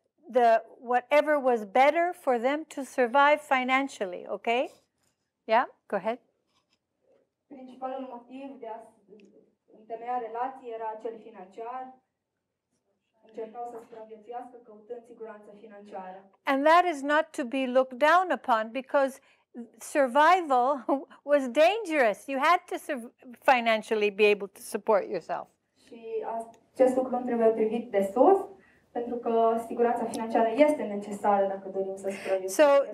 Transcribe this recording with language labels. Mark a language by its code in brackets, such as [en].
[en] The whatever was better for them to survive financially, okay? Yeah, go ahead. [ro] Principalul motiv de a întemeia relații era cel financiar. Încercau să supraviețuiască căutând siguranță financiară. [en] And that is not to be looked down upon because survival was dangerous. You had to financially be able to support yourself. [ro] Și acest lucru nu trebuie privit de sus, pentru că siguranța financiară este necesară dacă dorim să supraviețuim.